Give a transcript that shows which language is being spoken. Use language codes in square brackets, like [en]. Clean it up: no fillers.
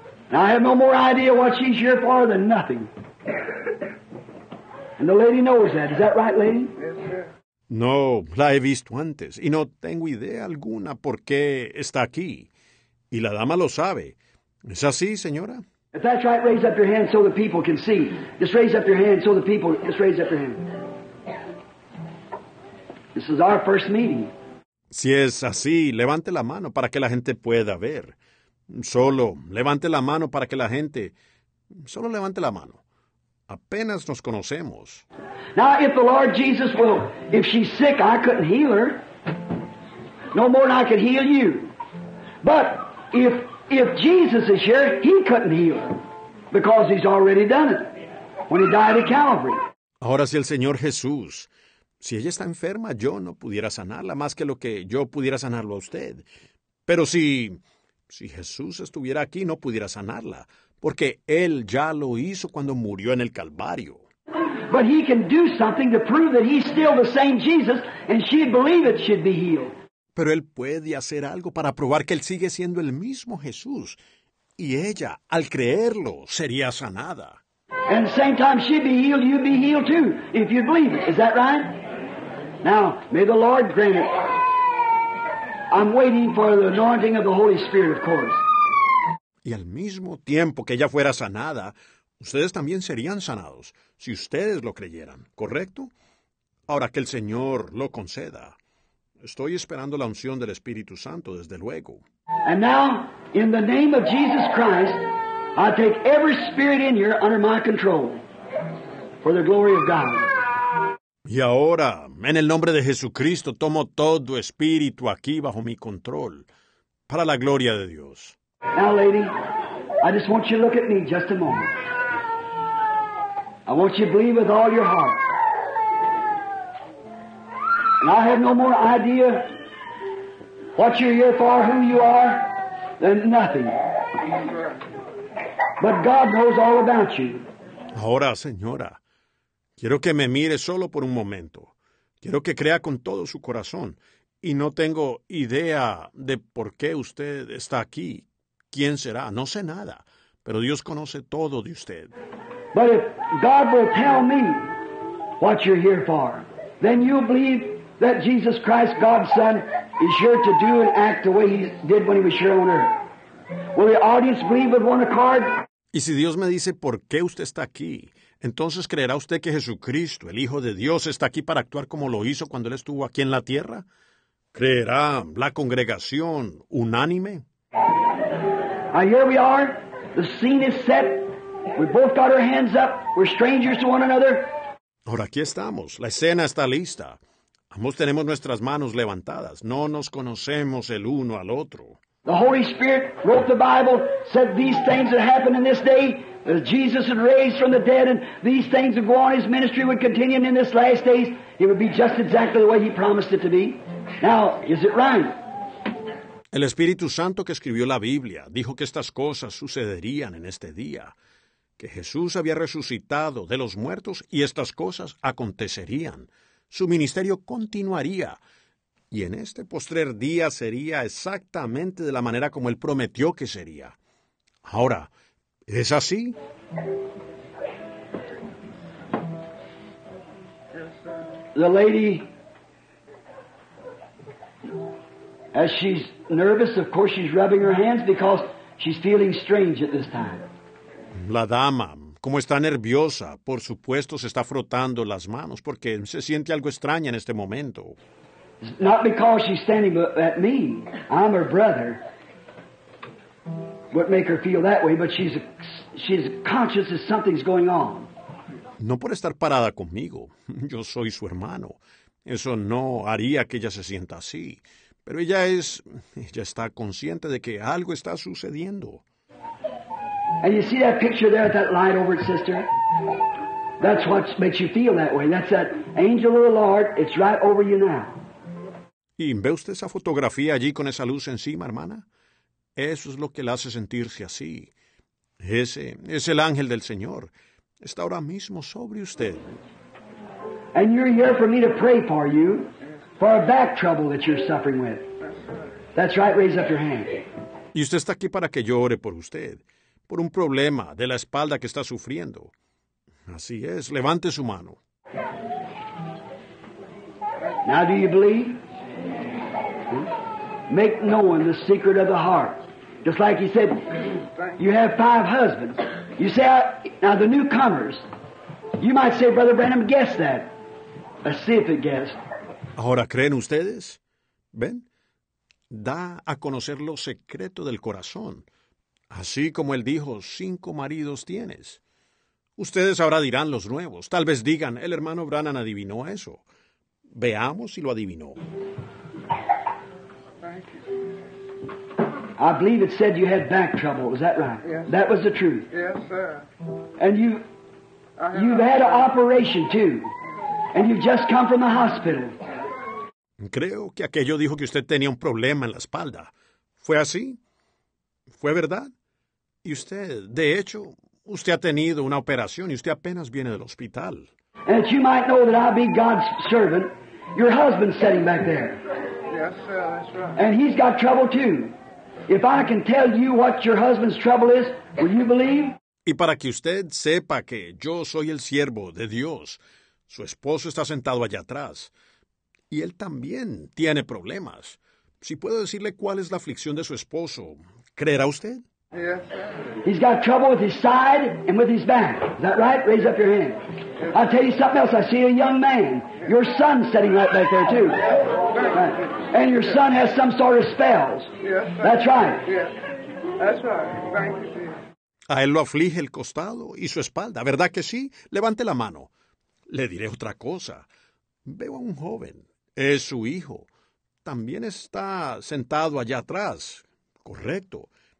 [en] Now, I have no more idea what she's here for than nothing. And the lady knows that. Is that right, lady? Yes, sir. [es] No, la he visto antes, y no tengo idea alguna por qué está aquí. Y la dama lo sabe. ¿Es así, señora? [en] If that's right, raise up your hand so the people can see. Just raise up your hand so the people... Just raise up your hand. This is our first meeting. [es] Si es así, levante la mano para que la gente pueda ver. Solo levante la mano para que la gente... Solo levante la mano. Apenas nos conocemos. [en] Now, if the Lord Jesus will... If she's sick, I couldn't heal her. No more than I could heal you. But if... If Jesus is here, he couldn't heal her because he's already done it when he died at Calvary. [es] Ahora si el Señor Jesús, si ella está enferma, yo no pudiera sanarla más que lo que yo pudiera sanarlo a usted. Pero si Jesús estuviera aquí, no pudiera sanarla porque él ya lo hizo cuando murió en el Calvario. [en] But he can do something to prove that he's still the same Jesus and she'd believe it, she'd be healed. [es] Pero él puede hacer algo para probar que él sigue siendo el mismo Jesús. Y ella, al creerlo, sería sanada. [en] And at the same time she'd be healed, you'd be healed too, if you believe it. Is that right? Now, may the Lord grant it. I'm waiting for the anointing of the Holy Spirit, of course. [es] Y al mismo tiempo que ella fuera sanada, ustedes también serían sanados, si ustedes lo creyeran, ¿correcto? Ahora que el Señor lo conceda. Estoy esperando la unción del Espíritu Santo, desde luego. [en] And now, in the name of Jesus Christ, I take every spirit in here under my control for the glory of God. [es] Y ahora, en el nombre de Jesucristo, tomo todo espíritu aquí bajo mi control para la gloria de Dios. [en] Now, lady, I just want you to look at me just a moment. I want you to believe with all your heart. And I have no more idea what you're here for, who you are, than nothing. But God knows all about you. [es] Ahora, señora, quiero que me mire solo por un momento. Quiero que crea con todo su corazón. Y no tengo idea de por qué usted está aquí. ¿Quién será? No sé nada. Pero Dios conoce todo de usted. [en] But if God will tell me what you're here for, then you'll believe... That Jesus Christ, God's Son, is here to do and act the way He did when He was here on earth. Will the audience believe with one accord? [es] Y si Dios me dice por qué usted está aquí, entonces creerá usted que Jesucristo, el Hijo de Dios, está aquí para actuar como lo hizo cuando Él estuvo aquí en la tierra? ¿Creerá la congregación unánime? [en] Now here we are. The scene is set. We both got our hands up. We're strangers to one another. [es] Ahora aquí estamos. La escena está lista. Ambos tenemos nuestras manos levantadas. No nos conocemos el uno al otro. [en] The Holy Spirit wrote the Bible, said these things that happened in this day, that Jesus had raised from the dead, and these things would go on, His ministry would continue, and in this last days, it would be just exactly the way He promised it to be. Now, is it right? [es] El Espíritu Santo que escribió la Biblia dijo que estas cosas sucederían en este día, que Jesús había resucitado de los muertos y estas cosas acontecerían. Su ministerio continuaría, y en este postrer día sería exactamente de la manera como Él prometió que sería. Ahora, ¿es así? [en] The lady, as she's nervous, of course she's rubbing her hands because she's feeling strange at this time. [es] La dama. Como está nerviosa, por supuesto se está frotando las manos porque se siente algo extraña en este momento. [en] Not because she's standing at me. I'm her brother. What make her feel that way, but she's conscious that something's going on. [es] No por estar parada conmigo. Yo soy su hermano. Eso no haría que ella se sienta así. Pero ella está consciente de que algo está sucediendo. [en] And you see that picture there with that light over it, sister? That's what makes you feel that way. That's that angel of the Lord. It's right over you now. [es] ¿Y ve usted esa fotografía allí con esa luz encima, hermana? Eso es lo que la hace sentirse así. Ese es el ángel del Señor. Está ahora mismo sobre usted. [en] And you're here for me to pray for you, for a back trouble that you're suffering with. That's right, raise up your hand. [es] Y usted está aquí para que yo ore por usted, por un problema de la espalda que está sufriendo. Así es, levante su mano. [en] Now do you believe? Make known the secret of the heart. Just like he said, you have five husbands. You say, now the newcomers, you might say, Brother Branham, guess that. Let's see if it guessed. [es] ¿Ahora creen ustedes? ¿Ven? Da a conocer lo secreto del corazón. Así como él dijo, cinco maridos tienes. Ustedes ahora dirán los nuevos. Tal vez digan, el hermano Branham adivinó eso. Veamos si lo adivinó. [en] I believe it said you had back trouble. Is that right? Yes. That was the truth. Yes, sir. And you've had an operation too, and you've just come from the hospital. [es] Creo que aquello dijo que usted tenía un problema en la espalda. ¿Fue así? ¿Fue verdad? Y usted, de hecho, usted ha tenido una operación y usted apenas viene del hospital. [en] And you might know that I'll be God's servant. Your husband's sitting back there. Yes, sir. That's right. And he's got trouble too. If I can tell you what your husband's trouble is, will you believe? [es] Y para que usted sepa que yo soy el siervo de Dios, su esposo está sentado allá atrás, y él también tiene problemas. Si puedo decirle cuál es la aflicción de su esposo, ¿creerá usted? [en] Yes. He's got trouble with his side and with his back. Is that right? Raise up your hand. I'll tell you something else. I see a young man. Your son sitting right back there too. And your son has some sort of spells. Yes, that's right. Yes. That's right. Thank you. [es] A él lo aflige el costado y su espalda, ¿verdad que sí? Levante la mano. Le diré otra cosa. Veo a un joven. Es su hijo. También está sentado allá atrás. Correcto.